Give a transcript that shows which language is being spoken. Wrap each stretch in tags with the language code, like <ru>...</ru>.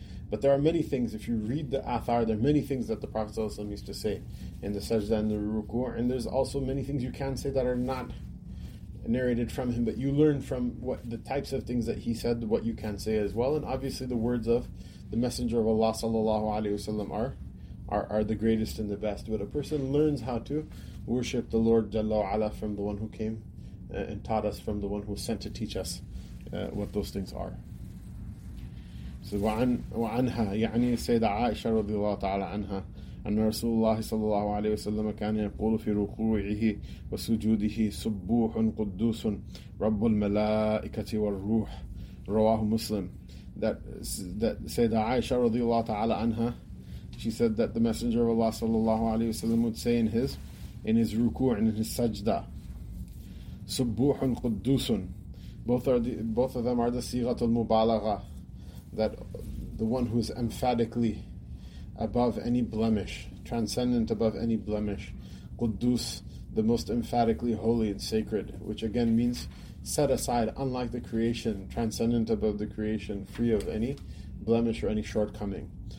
<en>But there are many things, if you read the athar, there are many things that the Prophet ﷺ used to say in the sajda and the ruku, and there's also many things you can say that are not narrated from him, but you learn from what the types of things that he said, what you can say as well. And obviously the words of the Messenger of Allah sallallahu alayhi wa sallam are the greatest and the best. But a person learns how to worship the Lord Jalla wa Ala from the one who came and taught us, from the one who was sent to teach us what those things are. So</en> <ar>wa anha يعني سيدة عائشة رضي الله تعالى عنها أن رسول الله صلى الله عليه وسلم كان يقول في ركوعه وسجوده سبوح قدوس رب الملائكة والروح رواه مسلم.</ar> <en>That Sayyidah Aisha radiallahu ta'ala anha, she said that the Messenger of Allah sallallahu alayhi wa sallam would say in his ruku' and in his sajda, subbuhun quddusun, both of them are the sighatul mubalagha, that the one who is emphatically above any blemish, transcendent above any blemish, quddus, the most emphatically holy and sacred, which again means set aside, unlike the creation, transcendent above the creation, free of any blemish or any shortcoming.</en>